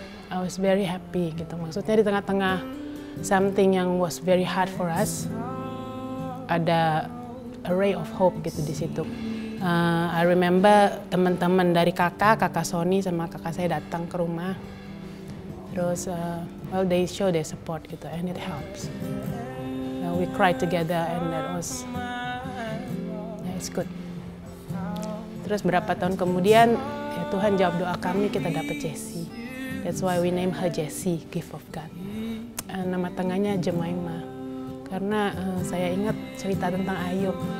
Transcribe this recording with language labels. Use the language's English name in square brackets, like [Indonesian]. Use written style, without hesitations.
[English] I was very happy gitu. [Indonesian] Maksudnya di tengah-tengah [English] something yang was very hard for us, ada a ray of hope gitu di situ. I remember [Indonesian] teman-teman dari kakak Sony sama kakak saya datang ke rumah. Terus, [English] well, they show their support gitu, and it helps. We cried together, and that was, yeah, it's good. [Indonesian] Terus berapa tahun kemudian, ya Tuhan jawab doa kami, kita dapat Jessie. [English] That's why we name her Jessie, gift of God. [Indonesian] Nama tengahnya Jemima, karena saya ingat cerita tentang Ayub.